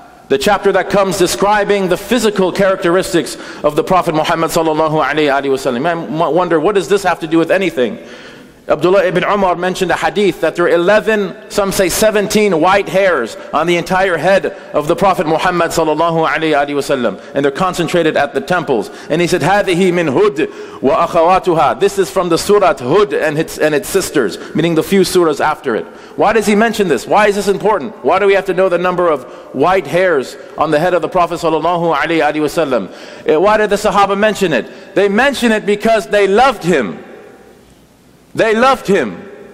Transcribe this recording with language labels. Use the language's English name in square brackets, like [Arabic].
[English] The chapter that comes describing the physical characteristics of the Prophet Muhammad sallallahu alaihi wasallam. You wonder, what does this have to do with anything? Abdullah ibn Umar mentioned a hadith that there are 11, some say 17 white hairs on the entire head of the Prophet Muhammad sallallahu alayhi wa sallam, and they're concentrated at the temples. And he said, [Arabic] هَذِهِ مِنْ هُدْ وَأَخَوَاتُهَا. [English] This is from the surah Hud and its sisters, meaning the few surahs after it. Why does he mention this? Why is this important? Why do we have to know the number of white hairs on the head of the Prophet sallallahu alayhi wa sallam? Why did the Sahaba mention it? They mention it because they loved him. They loved him.